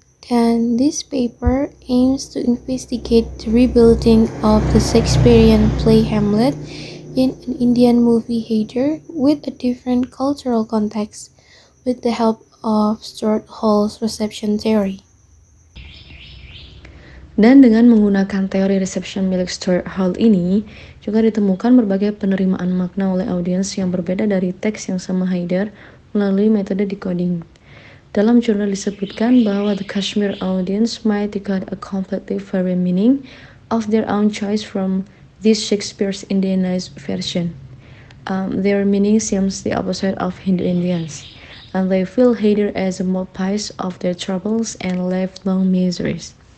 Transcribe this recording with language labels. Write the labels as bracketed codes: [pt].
[en] Dan this paper aims to investigate the rebuilding of the Shakespearean play Hamlet in an Indian movie Haider with a different cultural context with the help of Swartholm's reception theory. [id] Dan dengan menggunakan teori reception milik Stuart Hall ini, juga ditemukan berbagai penerimaan makna oleh audiens yang berbeda dari teks yang sama Haider melalui metode decoding. Dalam jurnal disebutkan bahwa [en] the Kashmir audience might decode a completely different meaning of their own choice from this Shakespeare's Indianized version. Their meaning seems the opposite of Hindu Indians, and they feel Haider as a mouthpiece of their troubles and lifelong miseries.